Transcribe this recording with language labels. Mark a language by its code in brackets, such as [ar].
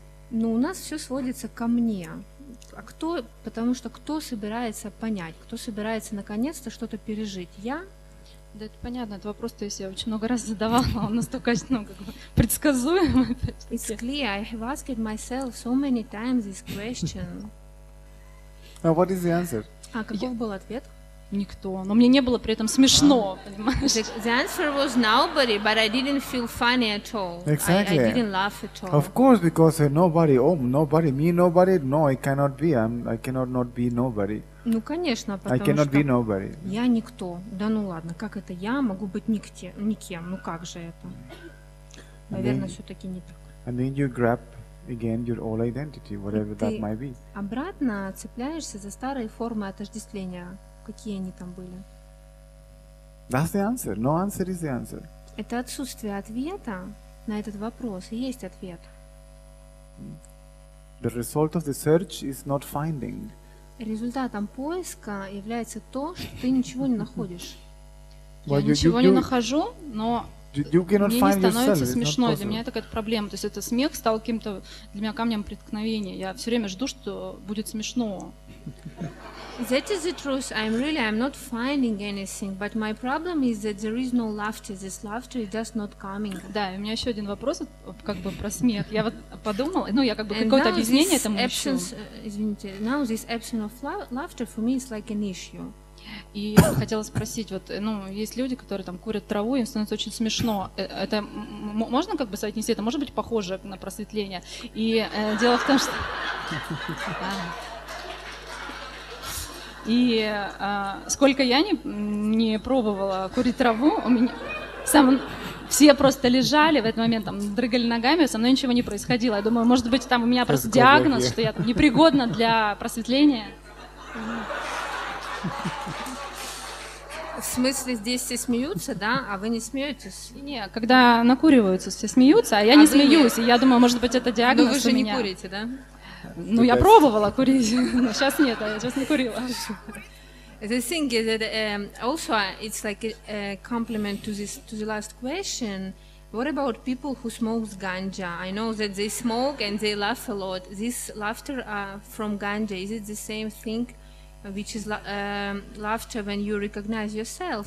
[ru] Ну, у нас все сводится ко мне. А кто, потому что кто собирается понять, кто собирается наконец-то что-то пережить? Я? Да, это понятно, это вопрос-то я себе очень много раз задавала, он настолько, как бы предсказуем, [en] It's clear, I have asked myself so many times this question. Now, what is the answer? [ru] А каков был ответ? никто. Но мне не было при этом смешно, понимаешь? [en] The answer was nobody, but I didn't feel funny at all. Exactly. I didn't laugh at all. Of course, because nobody, oh, nobody, me, nobody, no, I cannot be, I cannot not be nobody. [ru] Ну, конечно, потому [en] I cannot [ru] что [en] be nobody. [ru] Я никто. Да ну ладно, как это я могу быть никте, никем? Ну как же это? Наверное, все-таки не так. [en] And then you grab again your old identity, whatever that might be. [ru] Обратно цепляешься за старые формы отождествления. Какие они там были? [en] That's the answer. No answer is the answer. [ru] Это отсутствие ответа на этот вопрос. И есть ответ. [en] The result of the search is not finding. [ru] Результатом поиска является то, что ты ничего не находишь. Я ничего не нахожу, но мне не становится смешно. Для меня это какая-то проблема. То есть это смех стал каким-то для меня камнем преткновения. Я все время жду, что будет смешно. [en] That is the truth. I'm not finding anything. But my problem is that there is no laughter. This laughter is just not coming. [ru] Да, у меня еще один вопрос, как бы про смех. Я вот подумала, ну я как бы какое-то объяснение этому ищу. Извините, [en] now this absence of laughter for me is like an issue. [ru] И хотела спросить, вот, ну, есть люди, которые там курят траву, им становится очень смешно. Это можно как бы соотнести? Это может быть похоже на просветление? И дело в том, что... И сколько я не пробовала курить траву, у меня все просто лежали в этот момент, там, дрыгали ногами, со мной ничего не происходило. Я думаю, может быть, там у меня просто диагноз, что я там непригодна для просветления. В смысле, здесь все смеются, да? А вы не смеетесь? Нет, когда накуриваются, все смеются, а я не смеюсь. Нет. И я думаю, может быть, это диагноз у меня. Но вы же не курите, да? Ну, я пробовала курить, но сейчас нет, я сейчас не курила. [en] The thing is that also it's like a compliment to the last question. What about people who smoke ganja? I know that they smoke and they laugh a lot. This laughter from ganja, is it the same thing, which is laughter when you recognize yourself?